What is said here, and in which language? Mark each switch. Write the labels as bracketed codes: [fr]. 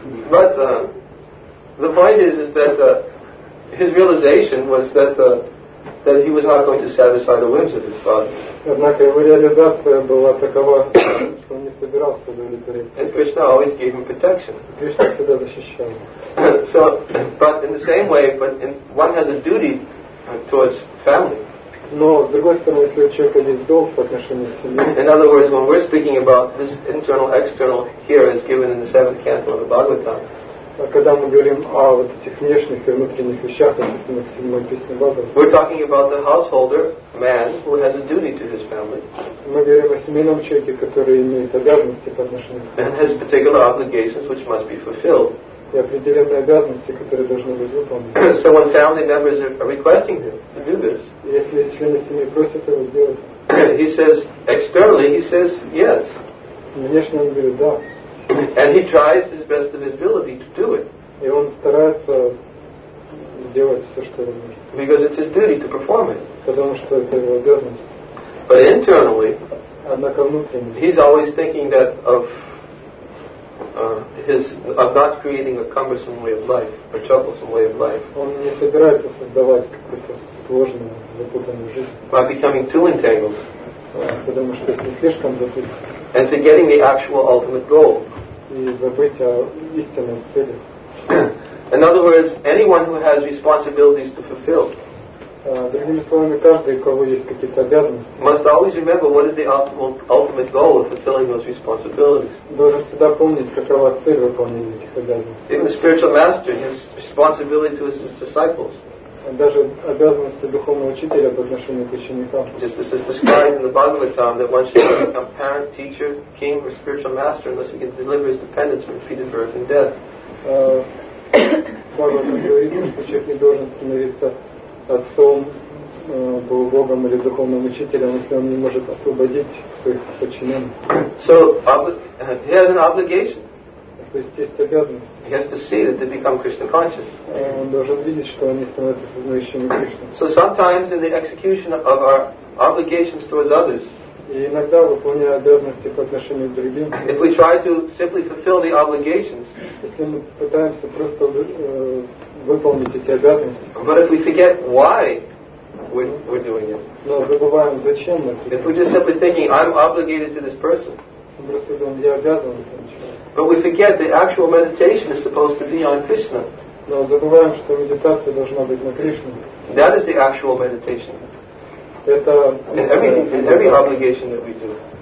[en] But the point is that his realization was that that he was not going to satisfy the whims of his father. [ru] Однако его реализация была такова, что он не собирался удовлетворить. [en] And Krishna always gave him protection. [ru] Кришна всегда защищал. [en] So, but in the same way, one has a duty towards family. [ru] Но с другой стороны, если у человека есть долг по отношению к семье. [en] In other words, when we're speaking about this internal external here as given in the seventh canto of the Bhagavatam. [ru] Когда мы говорим о вот этих внешних и внутренних вещах, написанных в седьмой песне Бхагавата. [en] We're talking about the householder man who has a duty to his family. [ru] Мы говорим о семейном человеке, который имеет обязанности по отношению к семье. [en] And has particular obligations which must be fulfilled. [ru] И определенные обязанности, которые должны быть выполнены. [en] So when family members are requesting him to do this, [ru] если члены семьи просят его сделать, [en] he says externally, he says yes. [ru] Внешне он говорит да. [en] And he tries his best of his ability to do it. [ru] И он старается сделать все, что он может. [en] Because it's his duty to perform it. [ru] Потому что это его обязанность. [en] But internally, [ru] однако внутренне, [en] he's always thinking that of his of not creating a cumbersome way of life, a troublesome way of life. [ru] Он не собирается создавать какую-то сложную, запутанную жизнь. [en] By becoming too entangled. [ru] Потому что если слишком запутан. [en] And forgetting the actual ultimate goal. [ru] И забыть о истинной цели. [en] In other words, anyone who has responsibilities to fulfill. [ru] Другими словами, каждый, у кого есть какие-то обязанности, [en] must always remember what is the ultimate goal of fulfilling those responsibilities. [ru] Должен всегда помнить, какова цель выполнения этих обязанностей. [en] Even the spiritual master, his responsibility to his disciples. [ru] Даже обязанности духовного учителя по отношению к ученикам. [en] Just as it's described in the Bhagavatam that one should become parent, teacher, king, or spiritual master unless he can deliver his dependents from repeated birth and death. [ru] Бхагавад говорит, что человек не должен становиться отцом, полубогом или духовным учителем, если он не может освободить своих подчиненных. [en] So, he has an obligation. [ru] То есть есть обязанность. [en] He has to see that they become Krishna conscious. [ru] Он должен видеть, что они становятся сознающими Кришну. [en] So sometimes in the execution of our obligations towards others, [ru] и иногда выполняя обязанности по отношению к другим. [en] If we try to simply fulfill the obligations, [ru] если мы пытаемся просто выполнить эти обязанности, [en] but if we forget why we're doing it, [ru] но забываем зачем мы. [en] If we're just simply thinking, I'm obligated to this person, [ru] просто думаем, я обязан. [en] But we forget the actual meditation is supposed to be on Krishna. [ru] Но забываем, что медитация должна быть на Кришне. [en] That is the actual meditation. [ru] Это [en] every obligation that we do.